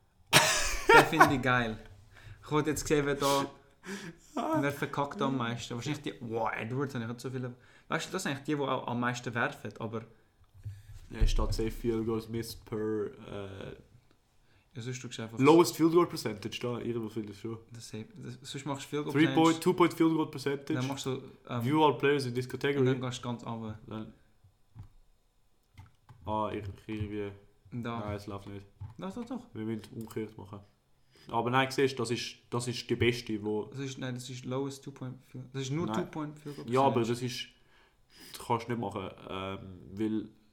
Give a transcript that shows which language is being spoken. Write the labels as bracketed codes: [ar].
[de] Das finde ich geil. Ich wollte jetzt sehen, wer da, wer verkackt am meisten. Wahrscheinlich die, wow, Edwards, ich habe so viele. Weißt du, das sind eigentlich die, die auch am meisten werfen, aber... Er statt safe Field Goals Missed per. Ja, sonst du einfach. Lowest Field Goal Percentage da, irgendwo finde ich schon. Das sonst machst du Field Goal Percentage. 2-Point Field Goal Percentage. Dann machst du. [en] View all players in this category. [de] Dann gehst du ganz runter. Dann. Ah, ich irgendwie. Da. Nein, es läuft nicht. Doch. Wir müssen umgekehrt machen. Aber nein, siehst du, das ist die beste, die. Das ist Lowest 2-Point Field Goal. Das ist nur 2-Point Field Goal Percentage. Ja, aber das ist. Das kannst du nicht machen, weil.